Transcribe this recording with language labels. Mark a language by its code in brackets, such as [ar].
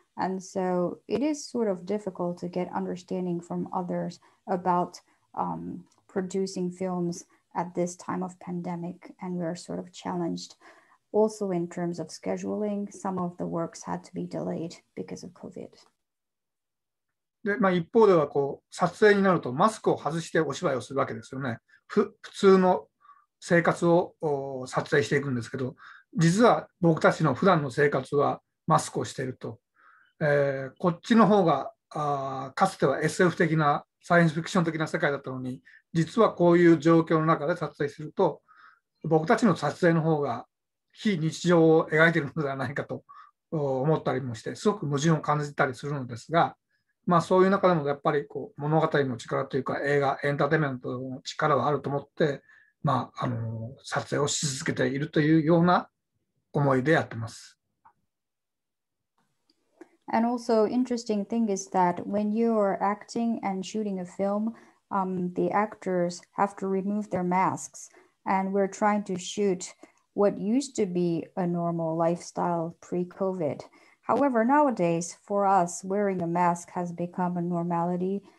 [en] And so it is sort of difficult to get understanding from others about producing films at this time of pandemic. And we are sort of challenged also in terms of scheduling. Some of the works had to be delayed because of COVID. [ja] で、一方ではこう撮影になるとマスクを外してお芝居をするわけですよね。普通の生活を撮影していくんですけど、実は僕たちの普段の生活はマスクをしていると、こっちの方がかつては SF 的なサイエンスフィクション的な世界だったのに、実はこういう状況の中で撮影すると、僕たちの撮影の方が非日常を描いているのではないかと思ったりもして、すごく矛盾を感じたりするのですが、そういう中でもやっぱりこう物語の力というか映画、エンターテインメントの力はあると思って、撮影をし続けているというような思いでやってます。 [en] And also, interesting thing is that when you are acting and shooting a film, the actors have to remove their masks. And we're trying to shoot what used to be a normal lifestyle pre-COVID. However, nowadays, for us, wearing a mask has become a normality.